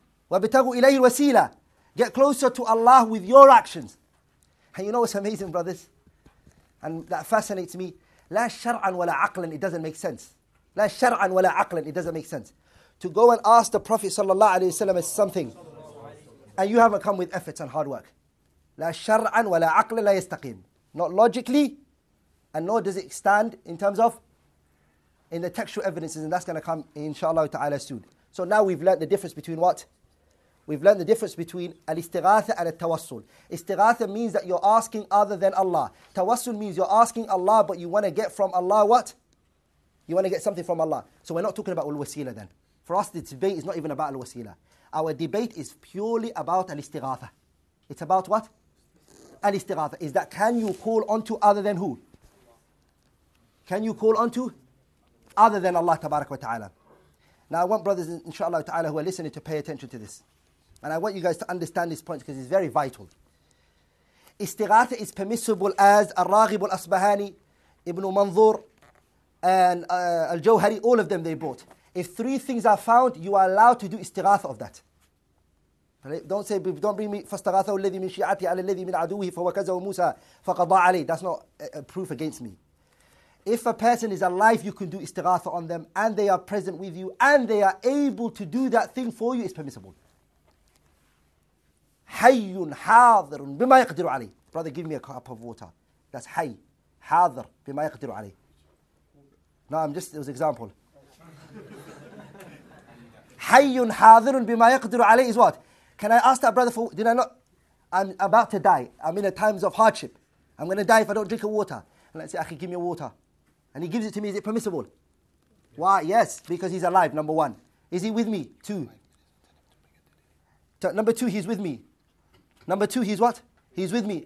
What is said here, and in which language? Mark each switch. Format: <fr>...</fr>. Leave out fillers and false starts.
<ar>وَبْتَغُوا إِلَيْهِ الْوَسِيلَ,</ar> <en>get closer to Allah with your actions. And you know what's amazing, brothers? And that fascinates me.</en> <ar>لا شرعاً ولا عقلاً,</ar> <en>it doesn't make sense. لا شرعاً ولا عقلاً, it doesn't make sense. To go and ask the Prophet sallallahu alayhi wa sallam is something. And you haven't come with efforts and hard work.</en> <ar>لا شرعاً ولا عقلاً لا يستقيم.</ar> <en>Not logically, and nor does it stand in terms of in the textual evidences, and that's going to come inshallah ta'ala soon. So now we've learned the difference between what? We've learned the difference between al-istighatha and al-tawassul. Istighatha means that you're asking other than Allah. Tawassul means you're asking Allah, but you want to get from Allah what? You want to get something from Allah. So we're not talking about al-wasila then. For us, the debate is not even about al-wasila. Our debate is purely about al-istighatha. It's about what? Al-istighatha. Is that can you call onto other than who? Can you call onto other than Allah, tabarak wa ta'ala? Now I want brothers, inshallah ta'ala, who are listening to pay attention to this. And I want you guys to understand this point because it's very vital. Istighatha is permissible as Al-Raghib Al-Asbahani, Ibn Manzur, and Al-Jawhari, all of them they brought. If three things are found, you are allowed to do istighatha of that. Don't say, don't bring me</en> <ar>فَاسْتَغَاثَهُ الَّذِي مِنْ شِيَعَتِي عَلَى الَّذِي مِنْ عَدُوهِ فَوَكَزَهُ مُوسَى فَقَضَى عَلَيْهِ.</ar> <en>That's not a proof against me. If a person is alive, you can do istighatha on them, and they are present with you, and they are able to do that thing for you, it's permissible.</en> <ar>حَيٌّ حَاضِرٌ بِمَا يَقْدِرُ عَلَيْهِ.</ar> <en>Brother, give me a cup of water. That's</en> <ar>حَي. حَاضِر بِمَا يَقْدِرُ عَلَيْهِ.</ar> <en>No, I'm just, it was an example.</en> <ar>حَيٌّ حَاضِرٌ بِمَا يَقْدِرُ عَلَيْهِ</ar> <en>is what? Can I ask that brother for, did I not? I'm about to die. I'm in a times of hardship. I'm going to die if I don't drink a water. And let's say, Akhi, give me a water. And he gives it to me, is it permissible? Why? Yes, because he's alive, number one. Is he with me? Two. Number two, he's with me. Number two, he's what? He's with me.</en>